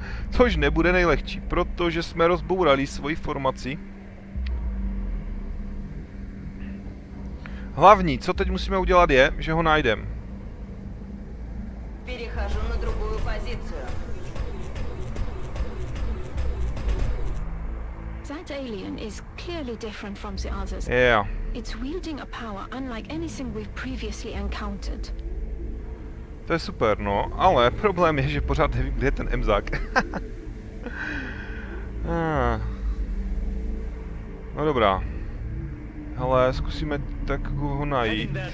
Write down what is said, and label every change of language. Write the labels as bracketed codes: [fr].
[cs] Což nebude nejlehčí, protože jsme rozbourali svoji formaci. Hlavní, co teď musíme udělat je, že ho najdem. Přecházím na druhou pozici. [en] That alien is clearly different from the others. Yeah. It's wielding a power unlike anything we've previously encountered. [cs] To je super, no, ale problém je, že pořád nevím, kde je ten Mzák. No dobrá. Hele, zkusíme tak ho najít.